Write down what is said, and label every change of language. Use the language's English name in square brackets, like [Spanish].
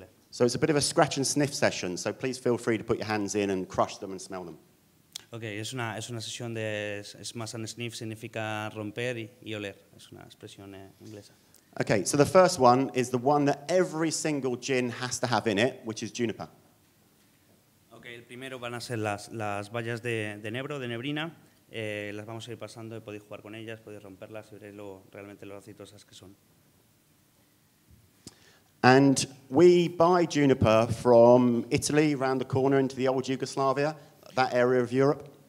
[English] So it's a bit of a scratch and sniff session, so please feel free to put your hands in and crush them and smell them. [Spanish] Okay, es una sesión de [English] smash and sniff, [Spanish] significa romper y oler, es una expresión inglesa. [English] Okay, so the first one is the one that every single gin has to have in it, which is juniper. [Spanish] Okay, el primero van a ser las bayas de nebro, de nebrina, las vamos a ir pasando y podéis jugar con ellas, podéis romperlas y veréis realmente lo aceitosas que son. [English] And we buy juniper from Italy, around the corner into the old Yugoslavia, that area of Europe.